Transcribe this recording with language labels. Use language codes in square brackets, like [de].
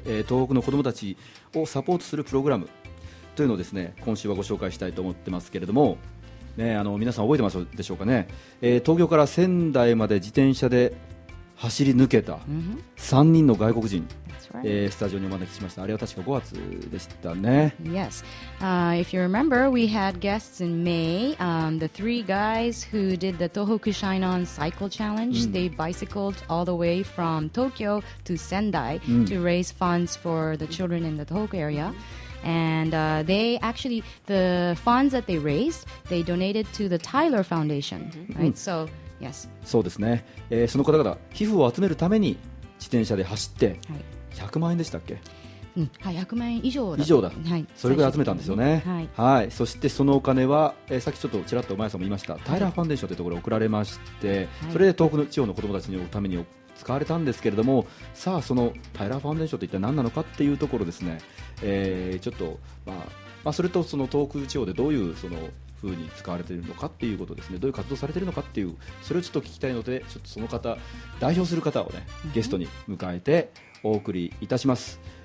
[ja] 東北の子どもたちをサポートするプログラムというのをですね、今週はご紹介したいと思ってますけれども、ね、皆さん覚えてますでしょうかね、東京から仙台まで自転車で走り抜けた3人の外国人、スタジオにお招きしました。あれは確か5月でしたね。 [en] Yes、if you remember, we had guests in May、the three guys who did the Tohoku Shine On Cycle Challenge、they bicycled all the way from Tokyo to Sendai、to raise funds for the children in the Tohoku area、And、they actually, the funds that they raised, they donated to the Tyler Foundation.、Right? So, yes. [ja] そうですね、その方々、寄付を集めるために自転車で走って、はい、100万円でしたっけ、はい、100万円以上だ。以上だ、はい。それぐらい集めたんですよね。はい、はい。そしてそのお金は、さっきちょっとちらっとお前さんも言いました、はい、Tyler Foundation というところに送られまして、はい、それで東北の地方の子どもたちのために使われたんですけれども、さあそのタイラーファンデーションって一体何なのかっていうところですね、ちょっと、まあ、それとその東北地方でどういうその風に使われているのかっていうことですね、どういう活動されているのかっていう、それをちょっと聞きたいので、ちょっとその方代表する方をね、ゲストに迎えてお送りいたします。